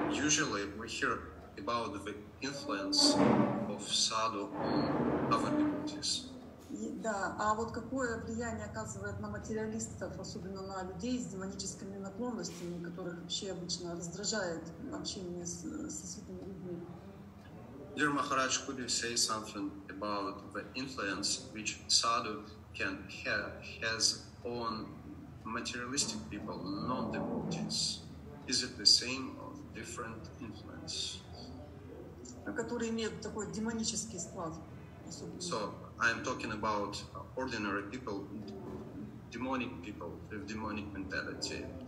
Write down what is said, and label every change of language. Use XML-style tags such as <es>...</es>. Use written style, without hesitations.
<en>Usually we hear about the influence of sadhu on other devotees.</en> <ru>Да, а вот какое влияние оказывает на материалистов, особенно на людей с демоническими наклонностями, которых вообще обычно раздражает общение со святыми людьми?</ru> <en>Dear Maharaj, could you say something about the influence which sadhu can has on materialistic people, non-devotees? Is it the same or different influence?</en> <ru>Который имеет такой демонический склад.</ru> <en>So, I'm talking about ordinary people, demonic people with demonic mentality.</en>